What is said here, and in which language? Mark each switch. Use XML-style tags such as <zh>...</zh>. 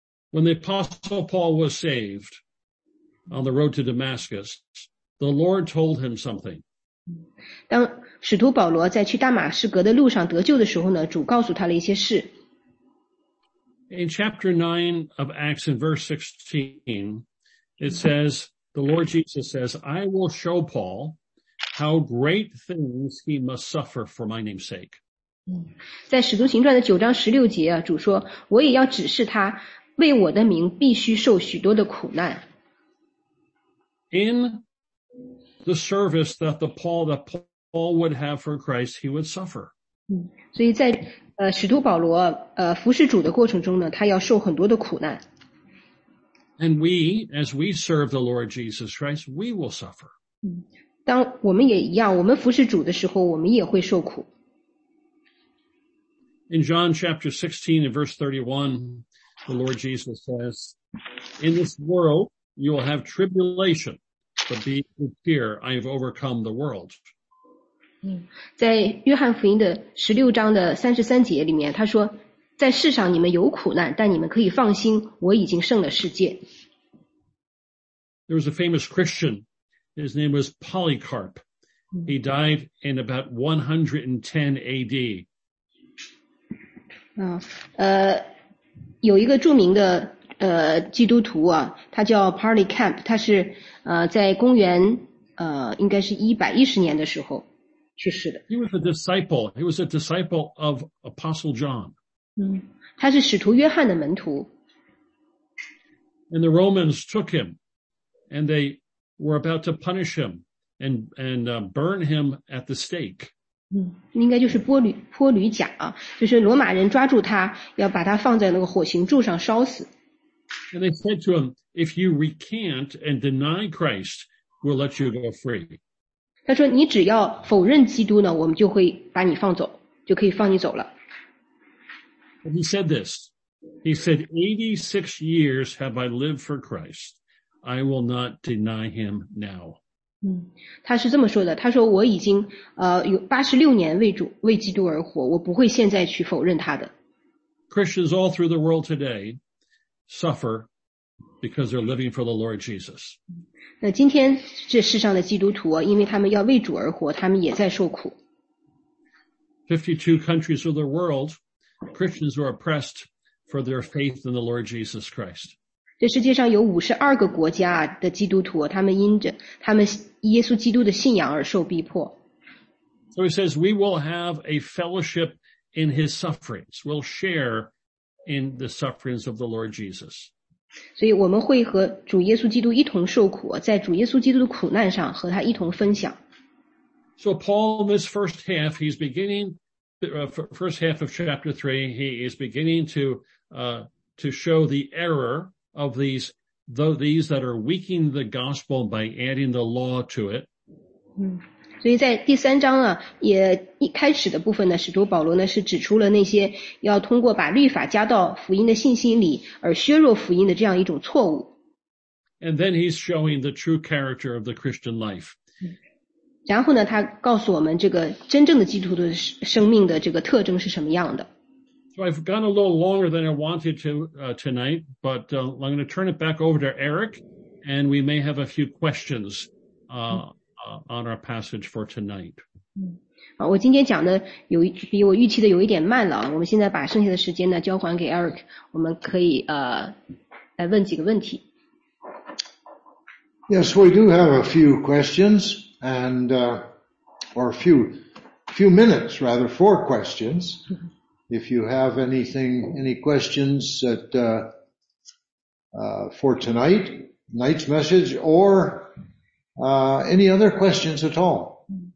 <en>When the Apostle Paul was saved on the road to Damascus, the Lord told him something.</en> <zh>当使徒保罗在去大马士革的路上得救的时候呢，主告诉他了一些事。</zh> <en>In chapter 9 of Acts in verse 16, it says, the Lord Jesus says, I will show Paul how great things he must suffer for my name's sake.</en> <zh>在使徒行传的九章十六节啊，主说，我也要指示他为我的名必须受许多的苦难。</zh> <en>In the service that Paul would have for Christ, he would suffer.</en> <zh>所以在使徒保罗服侍主的过程中呢，他要受很多的苦难。</zh> <en>And we, as we serve the Lord Jesus Christ, we will suffer.</en> <zh>当我们也一样，我们服侍主的时候，我们也会受苦。</zh> <en>In John chapter 16 and verse 31,The Lord Jesus says, in this world, you will have tribulation, but be of good cheer, I have overcome the world.</en> <zh>在约翰福音的十六章的三十三节里面，他说，在世上你们有苦难，但你们可以放心，我已经胜了世界。</zh> <en>There was a famous Christian, his name was Polycarp. He died in about 110 AD.</en> <zh>有一个著名的基督徒啊，他叫 Polycarp， 他是在公元应该是110年的时候去世的。</zh> <en>He was a disciple. He was a disciple of Apostle John.</en> <zh>他是使徒约翰的门徒。</zh> <en>And the Romans took him, and they were about to punish him and burn him at the stake.</en> <zh>应该就是波吕甲啊，就是罗马人抓住他，要把他放在那个火刑柱上烧死。</zh> <en>And they said to him, "If you recant and deny Christ, we'll let you go free."</en> <zh>他说：“你只要否认基督呢，我们就会把你放走，就可以放你走了。</zh> <en>”And he said this. He said, 86 years have I lived for Christ, I will not deny him now.</en> <zh>他是这么说的，他说我已经有86年为基督而活，我不会现在去否认他的。</zh> <en>Christians all through the world today suffer because they're living for the Lord Jesus.</en> <zh>那今天这世上的基督徒啊，因为他们要为主而活，他们也在受苦。</zh> <en>52 countries of the world, Christians are oppressed for their faith in the Lord Jesus Christ.</en> <zh>这世界上有52个国家的基督徒，他们因着他们耶稣基督的信仰而受逼迫。</zh> <en>So he says, we will have a fellowship in his sufferings. We'll share in the sufferings of the Lord Jesus.</en> <zh>所以我们会和主耶稣基督一同受苦，在主耶稣基督的苦难上和他一同分享。</zh> <en>So Paul, in this first half, he's beginning, first half of chapter 3, he is beginning to show the error of these that are weakening the gospel by adding the law to it.</en> <zh>所以在第三章啊，也一开始的部分呢，使徒保罗呢是指出了那些要通过把律法加到福音的信心里而削弱福音的这样一种错误。</zh> <en>And then he's showing the true character of the Christian life.</en> <zh>然后呢，他告诉我们这个真正的基督徒的生命的这个特征是什么样的。</zh> <en>So I've gone a little longer than I wanted to tonight, but I'm going to turn it back over to Eric, and we may have a few questions on our passage for tonight.</en> <zh>我今天讲的有比我预期的有一点慢了，我们现在把剩下的时间呢交还给 Eric, 我们可以来问几个问题。</zh> <en>Yes, we do have a few questions. And, or a few minutes, rather, for questions. If you have any questions that, for tonight, night's message, or, any other questions at all.</en>